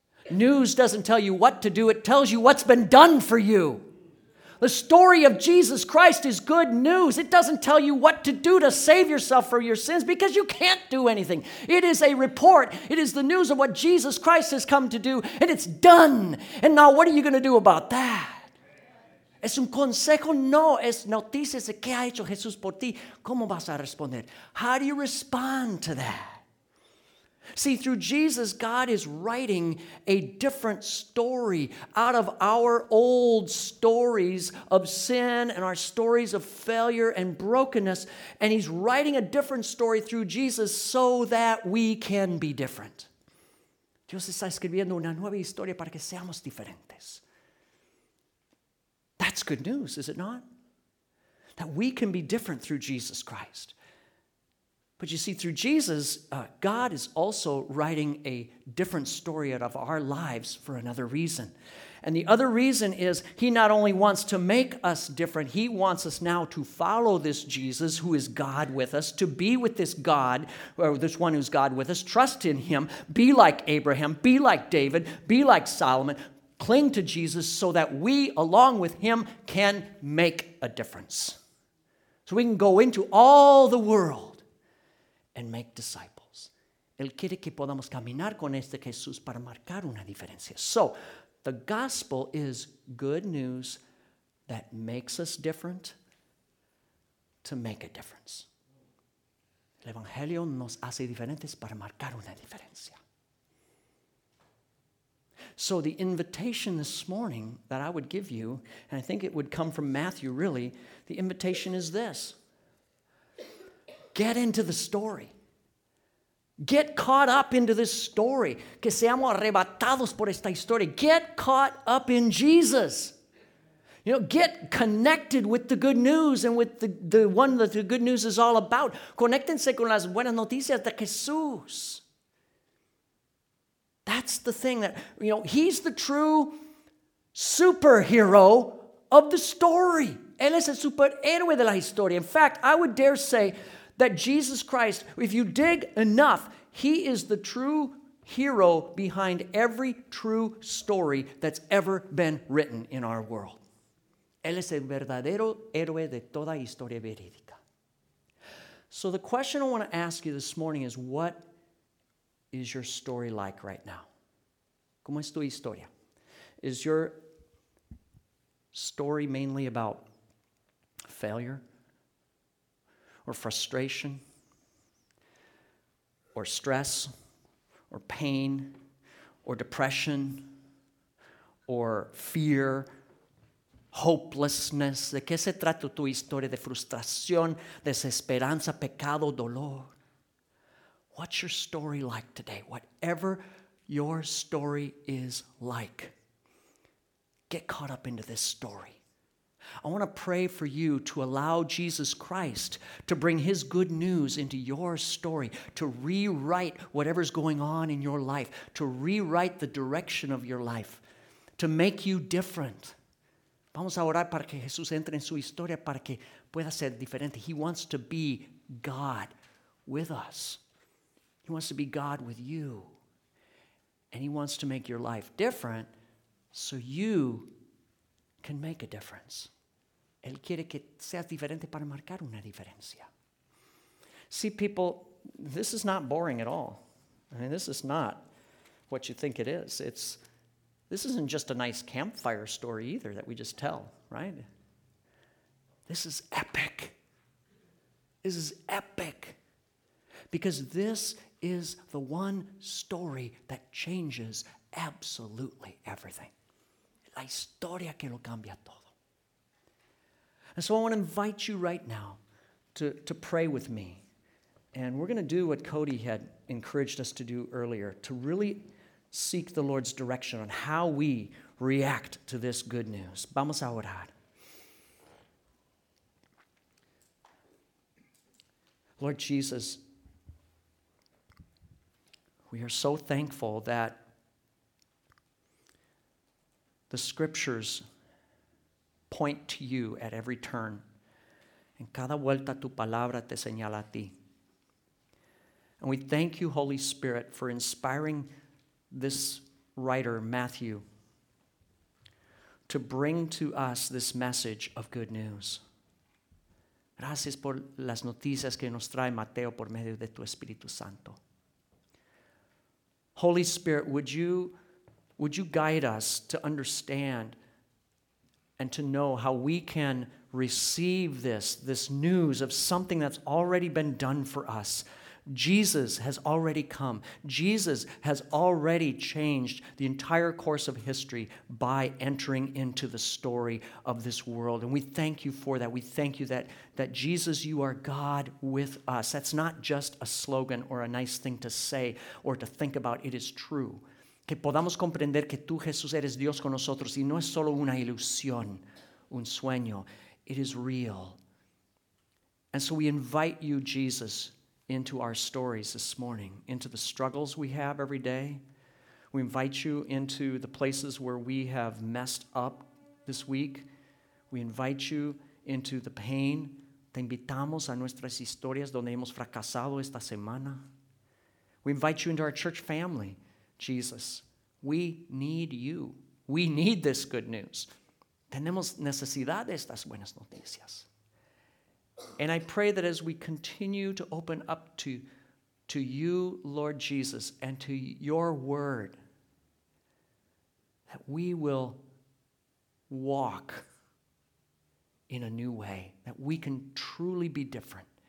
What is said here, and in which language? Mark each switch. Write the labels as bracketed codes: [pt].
[en] News doesn't tell you what to do, it tells you what's been done for you. The story of Jesus Christ is good news. It doesn't tell you what to do to save yourself from your sins because you can't do anything. It is a report. It is the news of what Jesus Christ has come to do, and it's done. And now what are you going to do about that? [es] Es un consejo, no, es noticias de qué ha hecho Jesús por ti. ¿Cómo vas a responder? [en] How do you respond to that? See, through Jesus, God is writing a different story out of our old stories of sin and our stories of failure and brokenness. And he's writing a different story through Jesus so that we can be different. [es] Dios está escribiendo una nueva historia para que seamos diferentes. [en] That's good news, is it not? That we can be different through Jesus Christ. But you see, through Jesus, God is also writing a different story out of our lives for another reason. And the other reason is he not only wants to make us different, he wants us now to follow this Jesus who is God with us, to be with this God, or this one who's God with us, trust in him, be like Abraham, be like David, be like Solomon, cling to Jesus so that we, along with him, can make a difference. So we can go into all the world and make disciples. [es] Él quiere que podamos caminar con este Jesús para marcar una diferencia. [en] So, the gospel is good news that makes us different to make a difference. [es] El evangelio nos hace diferentes para marcar una diferencia. [en] So the invitation this morning that I would give you, and I think it would come from Matthew really, the invitation is this. Get into the story. Get caught up into this story. [es] Que seamos arrebatados por esta historia. [en] Get caught up in Jesus. You know, get connected with the good news and with the one that the good news is all about. [es] Conéctense con las buenas noticias de Jesús. [en] That's the thing that, you know, he's the true superhero of the story. [es] Él es el superhéroe de la historia. [en] In fact, I would dare say that Jesus Christ, if you dig enough, he is the true hero behind every true story that's ever been written in our world. [es] Él es el verdadero héroe de toda historia verídica. [en] So the question I want to ask you this morning is, what is your story like right now? [es] ¿Cómo es tu historia? [en] Is your story mainly about failure or frustration or stress or pain or depression or fear, hopelessness? [es] ¿De qué se trata tu historia? ¿De frustración, desesperanza, pecado, dolor? [en] What's your story like today? Whatever your story is like, get caught up into this story. I want to pray for you to allow Jesus Christ to bring his good news into your story, to rewrite whatever's going on in your life, to rewrite the direction of your life, to make you different. [es] Vamos a orar para que Jesús entre en su historia para que pueda ser diferente. [en] He wants to be God with us. He wants to be God with you, and he wants to make your life different so you can make a difference. [es] Él quiere que seas diferente para marcar una diferencia. [en] See, people, this is not boring at all. I mean, this is not what you think it is. This isn't just a nice campfire story either that we just tell, right? This is epic. This is epic. Because this is the one story that changes absolutely everything. [es] La historia que lo cambia todo. [en] And so I want to invite you right now to pray with me. And we're going to do what Cody had encouraged us to do earlier, to really seek the Lord's direction on how we react to this good news. [es] Vamos a orar. [en] Lord Jesus, we are so thankful that the scriptures point to you at every turn. [es] En cada vuelta tu palabra te señala a ti. [en] And we thank you, Holy Spirit, for inspiring this writer, Matthew, to bring to us this message of good news. [es] Gracias por las noticias que nos trae Mateo por medio de tu Espíritu Santo. [en] Holy Spirit, would you guide us to understand and to know how we can receive this news of something that's already been done for us. Jesus has already come. Jesus has already changed the entire course of history by entering into the story of this world. And we thank you for that. We thank you that Jesus, you are God with us. That's not just a slogan or a nice thing to say or to think about. It is true. [es] Que podamos comprender que tú, Jesús, eres Dios con nosotros. Y no es solo una ilusión, un sueño. [en] It is real. And so we invite you, Jesus, into our stories this morning, into the struggles we have every day. We invite you into the places where we have messed up this week. We invite you into the pain. [es] Te invitamos a nuestras historias donde hemos fracasado esta semana. [en] We invite you into our church family, Jesus. We need you. We need this good news. [es] Tenemos necesidad de estas buenas noticias. [en] And I pray that as we continue to open up to to you, Lord Jesus, and to your word, that we will walk in a new way, that we can truly be different.